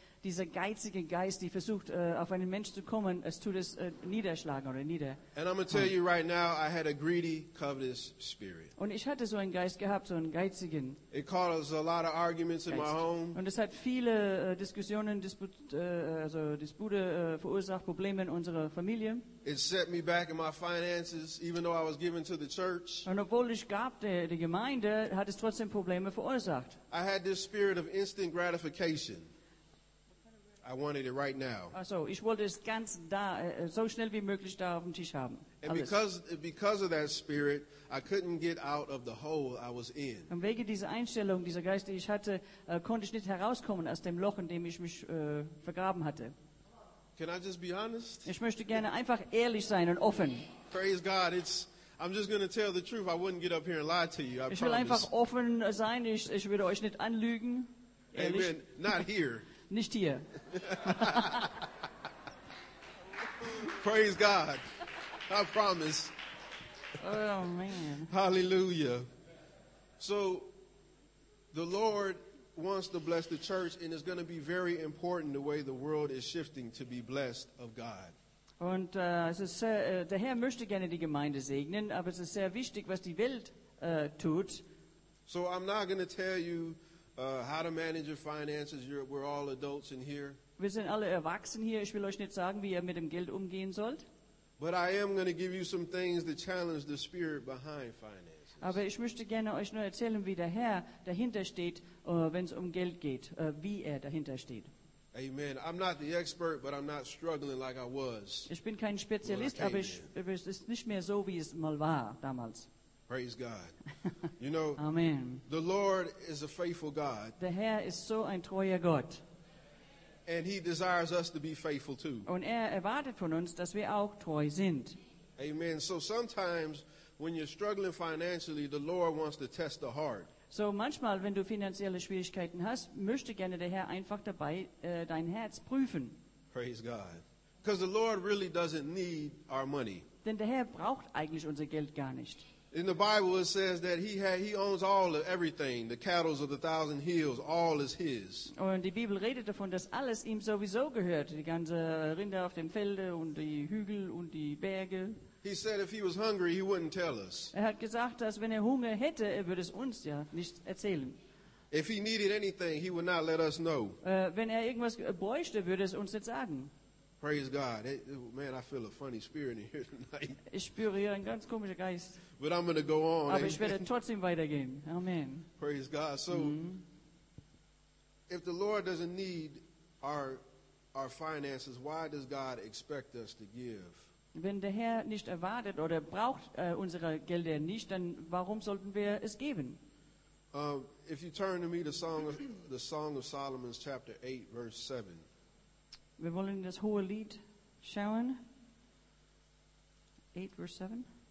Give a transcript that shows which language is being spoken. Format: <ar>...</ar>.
<de>dieser geizige Geist, die versucht auf einen Mensch zu kommen, es tut es niederschlagen oder nieder.</de> <en>And I'm going to tell you right now, I had a greedy, covetous spirit.</en> <de>Und ich hatte so einen Geist gehabt, so einen geizigen.</de> <en>It caused a lot of arguments in my home.</en> <de>Und es hat viele Diskussionen, Dispute verursacht, Probleme in unserer Familie.</de> <en>It set me back in my finances, even though I was given to the church.</en> <de>Und obwohl ich gab der Gemeinde, hat es trotzdem Probleme verursacht.</de> <en>I had this spirit of instant gratification. I wanted it right now.</en> <de>Also, ich wollte es ganz da, so schnell wie möglich da auf dem Tisch haben.</de> <en>And because of that spirit, I couldn't get out of the hole I was in.</en> <de>Und wegen dieser Einstellung, dieser Geist, die ich hatte, konnte ich nicht herauskommen aus dem Loch, in dem ich mich vergraben hatte.</de> <en>Can I just be honest?</en> <de>Ich möchte gerne einfach ehrlich sein und offen.</de> <en>Praise God, I'm just going to tell the truth. I wouldn't get up here and lie to you. I promise.</en> <de>Ich will einfach offen sein. Ich würde euch nicht anlügen. Ehrlich.</de> <en>Amen. Not here.</en> <de>Nicht hier.</de> <en>Praise God. I promise. Oh man. Hallelujah. So the Lord wants to bless the church, and it's going to be very important the way the world is shifting to be blessed of God.</en> <de>Und es ist sehr, der Herr möchte gerne die Gemeinde segnen, aber es ist sehr wichtig, was die Welt tut.</de> <en>So I'm not going to tell you how to manage your finances. We're all adults in here.</en> <de>Wir sind alle erwachsen hier. Ich will euch nicht sagen, wie ihr mit dem Geld umgehen sollt.</de> <en>But I am going to give you some things that challenge the spirit behind finances.</en> <de>Aber ich möchte gerne euch nur erzählen, wie der Herr dahinter steht, wenn es um Geld geht, wie er dahinter steht.</de> <en>Amen. I'm not the expert, but I'm not struggling like I was.</en> <de>Ich bin kein Spezialist, aber es ist nicht mehr so, wie es mal war damals.</de> <en>Praise God. You know, Amen. The Lord is a faithful God.</en> <de>Der Herr ist so ein treuer Gott.</de> <en>And He desires us to be faithful too.</en> <de>Und erwartet von uns, dass wir auch treu sind.</de> <en>Amen. So sometimes, when you're struggling financially, the Lord wants to test the heart.</en> <de>So manchmal, wenn du finanzielle Schwierigkeiten hast, möchte gerne der Herr einfach dabei dein Herz prüfen.</de> <en>Praise God. Because the Lord really doesn't need our money.</en> <de>Denn der Herr braucht eigentlich unser Geld gar nicht.</de> <en>In the Bible it says that he owns all of everything, the cattle of the thousand hills, all is His.</en> <de>Und die Bibel redet davon, dass alles ihm sowieso gehört, die ganze Rinder auf dem Felde und die Hügel und die Berge.</de> <en>He said if he was hungry, he wouldn't tell us.</en> <de>Er hat gesagt, dass wenn Hunger hätte, würde es uns ja nicht erzählen.</de> <en>If he needed anything, he would not let us know.</en> <de>Wenn irgendwas bräuchte, würde es uns nicht sagen.</de> <en>Praise God. Man, I feel a funny spirit in here tonight.</en> <de>Ich spüre hier einen ganz komischen Geist.</de> <en>But I'm going to go on.</en> <de>Aber ich werde trotzdem weitergehen. Amen.</de> <en>Praise God. So, if the Lord doesn't need our finances, why does God expect us to give? Wenn der Herr nicht erwartet oder braucht unsere Gelder nicht, dann warum sollten wir es geben? If you turn to me to the Song of Solomon, chapter 8, verse 7.</en> <de>Wir wollen das Hohe Lied schauen. 8, verse 7?</de>